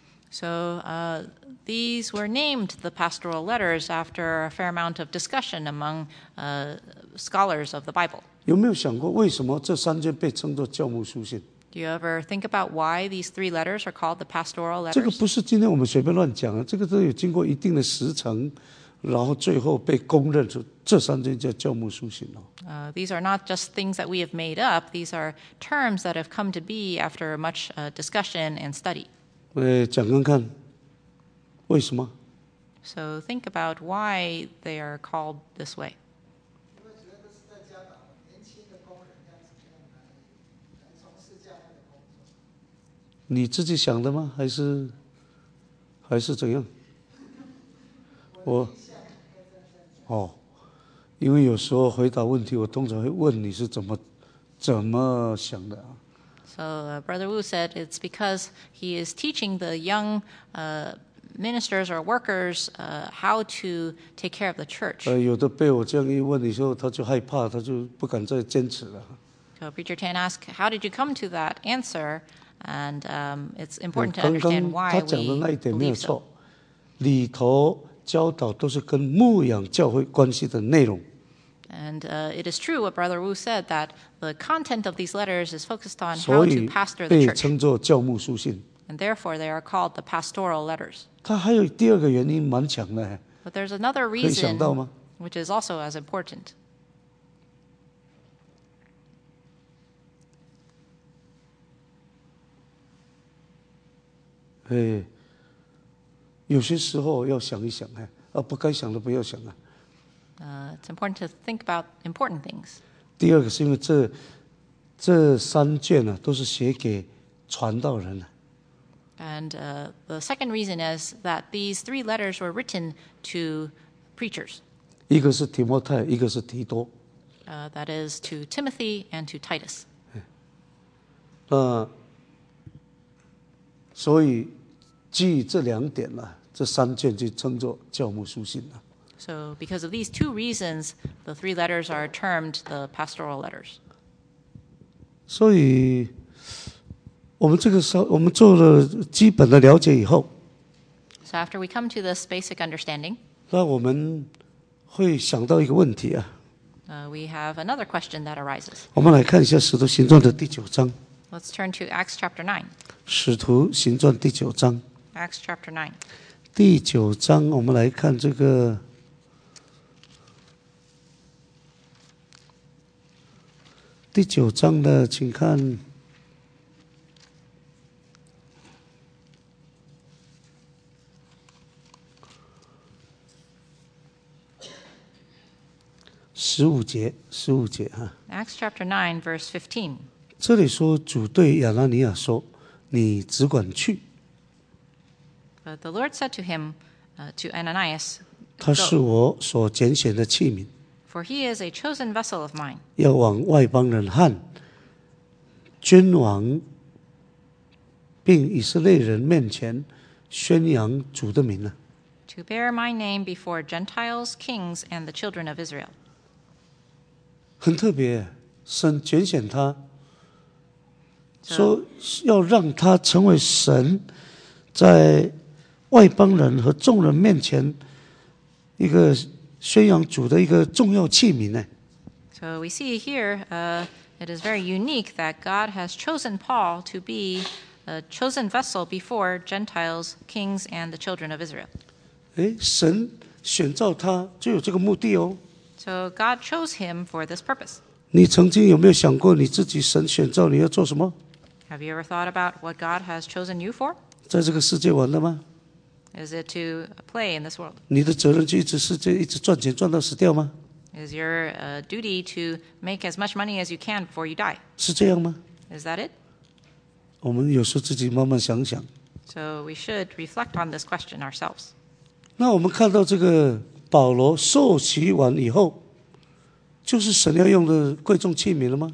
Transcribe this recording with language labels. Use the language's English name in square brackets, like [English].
[English] So, these were named the pastoral letters after a fair amount of discussion among scholars of the Bible. [Chinese] 有没有想过为什么这三卷被称作教牧书信？ [English] Do you ever think about why these three letters are called the pastoral letters? [Chinese] 这个不是今天我们随便乱讲啊，这个都有经过一定的时程，然后最后被公认出这三卷叫教牧书信哦。 [English] These are not just things that we have made up. These are terms that have come to be after much discussion and study. [Chinese] 讲看看为什么。 [English] So think about why they are called this way. [Chinese] 你自己想的吗？还是怎样？我哦，因为有时候回答问题，我通常会问你是怎么想的。 [English] So Brother Wu said it's because he is teaching the young ministers or workers how to take care of the church. [Chinese] 有的被我这样一问的时候，他就害怕，他就不敢再坚持了。 [English] So Preacher Tan asked, "How did you come to that answer?" And it's important to understand why we believe so. [Chinese] 他讲的那一点没有错，里头教导都是跟牧养教会关系的内容。 [English] And it is true what Brother Wu said, that the content of these letters is focused on how to pastor the church. [Chinese] 被称作教牧书信。 [English] And therefore, they are called the pastoral letters. [Chinese] 它还有第二个原因蛮强的。 [English] But there's another reason, [Chinese] 可以想到吗? [English] which is also as important. [Chinese] 有些时候要想一想，不该想的不要想。 [English] It's important to think about important things. [Chinese] 第二个是因为这三卷都是写给传道人。 [English] And the second reason is that these three letters were written to preachers. [Chinese] 一个是提摩太，一个是提多。 [English] That is to Timothy and to Titus. [Chinese] 所以基于这两点这三卷就称作教牧书信了。 [English] So because of these two reasons, the three letters are termed the pastoral letters. [Chinese] 所以我们这个时候我们做了基本的了解以后 [English] So after we come to this basic understanding, [Chinese] 那我们会想到一个问题 [English] We have another question that arises. [Chinese] 我们来看一下使徒行传的第九章 [English] Let's turn to Acts chapter 9. [Chinese] 使徒行传第九章 [English] Acts chapter 9. [Chinese] 第九章我们来看这个第九章的，请看十五节哈。 [English] Acts chapter 9 verse 15。 [Chinese] 这里说主对亚拿尼亚说：“你只管去。” [English] But the Lord said to him, to Ananias, [Chinese] 他是我所拣选的器皿。 [English] For he is a chosen vessel of mine. [Chinese] 要往外邦人和君王并以色列人面前宣扬主的名啊。 [English] To bear my name before Gentiles, kings, and the children of Israel. [Chinese] 很特别，神拣选他，说要让他成为神在外邦人和众人面前一个宣扬主的一个重要器皿呢。 [English] So we see here, it is very unique that God has chosen Paul to be a chosen vessel before Gentiles, kings, and the children of Israel. [Chinese] 神选召他就有这个目的哦。 [English] So God chose him for this purpose. [Chinese] 你曾经有没有想过你自己神选召你要做什么？ [English] Have you ever thought about what God has chosen you for? [Chinese] 在这个世界玩的吗？ [English] Is it to play in this world? [Chinese] 你的责任就一直是这一直赚钱赚到死掉吗？ [English] Is your duty to make as much money as you can before you die? [Chinese] 是这样吗？ [English] Is that it? [Chinese] 我们有时候自己慢慢想想。 [English] So we should reflect on this question ourselves. [Chinese] 那我们看到这个保罗受洗完以后，就是神要用的贵重器皿了吗？